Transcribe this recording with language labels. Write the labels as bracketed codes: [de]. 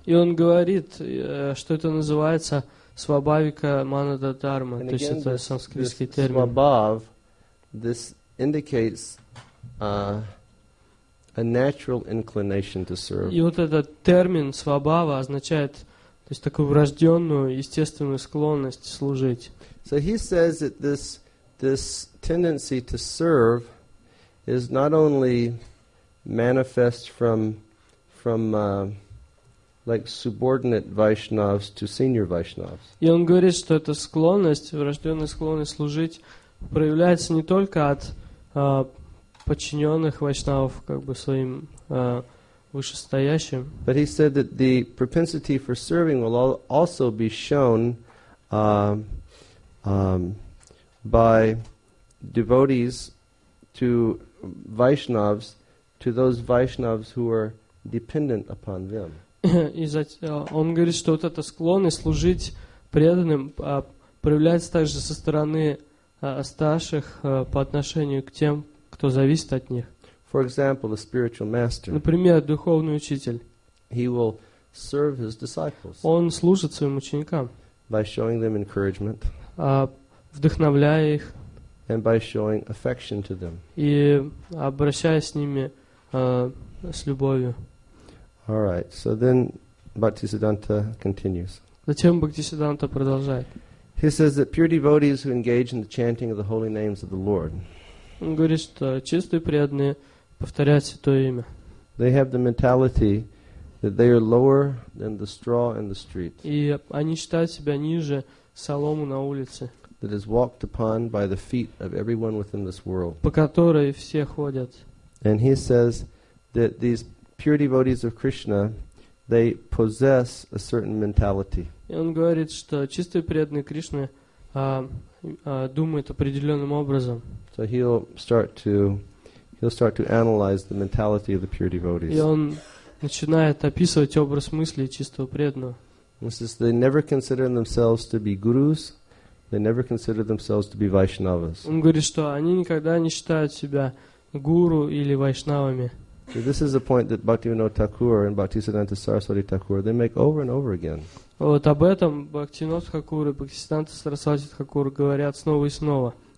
[ru] И он говорит, что это называется свабавика манада дарма. То есть это санскритский термин. [en] Свабав, this indicates a natural inclination to serve. [ru] И вот этот термин свабава означает, то есть такую врожденную естественную склонность служить. [en] So he says that this tendency to serve is not only manifest from subordinate Vaishnavas to senior Vaishnavas. [ru] И он говорит, что эта склонность, врожденная склонность служить, проявляется не только от подчиненных вайшнавов как бы своим вышестоящим. [en] But he said that the propensity for serving will also be shown by devotees to Vaishnavas, to those Vaishnavas who are dependent upon them. [ru] И он говорит, что вот эта склонность служить преданным проявляется также со стороны старших по отношению к тем, кто зависит от них. [en] For example, the spiritual master. [ru] Например, духовный учитель. [en] He will serve his disciples. [ru] Он служит своим ученикам. [en] By showing them encouragement. [ru] Вдохновляя их. [en] And by showing affection to them. [ru] И обращаясь с ними с любовью. [en] All right. So then Bhaktisiddhanta continues. [ru] Затем Бхактисиддханта продолжает. [en] He says that pure devotees who engage in the chanting of the holy names of the Lord. [ru] Он говорит, что чистые преданные повторяют святое имя. [en] They have the mentality That they are lower than the straw in the street. [ru] И они считают себя ниже соломы на улице. [en] That is walked upon by the feet of everyone within this world. [ru] По которой все ходят. [en] And he says that these pure devotees of Krishna, they possess a certain mentality. [ru] И он говорит, что чистые преданные Кришны думают определенным образом. [en] So he'll start to analyze the mentality of the pure devotees. [ru] И он начинает описывать образ мысли чистого преданного. [en] He says they never consider themselves to be gurus, they never consider themselves to be vaishnavas. [ru] Он говорит, что они никогда не считают себя гуру или вайшнавами. [en] So this is a point that Bhaktivinoda Thakur and Bhaktisiddhanta Saraswati Thakur they make over and over again. [ru] Вот об этом Бхактивинода Тхакура и Бхактисиддханта Сарасвати Тхакура говорят снова и снова.